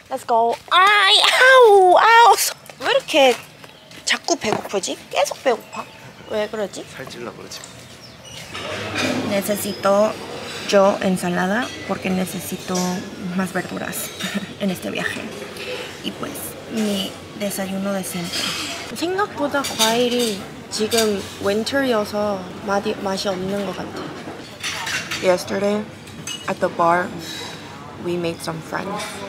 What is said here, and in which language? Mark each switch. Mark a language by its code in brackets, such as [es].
[en] Let's go. [ko] Ay, au, au. [es] ¿Por qué? [ko] 자꾸 배고프지? 계속 배고파. 왜 그러지? 살찔라 그러지. [es] Necesito yo ensalada porque necesito más verduras en este viaje. Y pues mi desayuno de siempre. [ko] 생각보다 과일이 지금 winter여서 맛이 없는 것 같아. [en] Yesterday at the bar, we made some friends.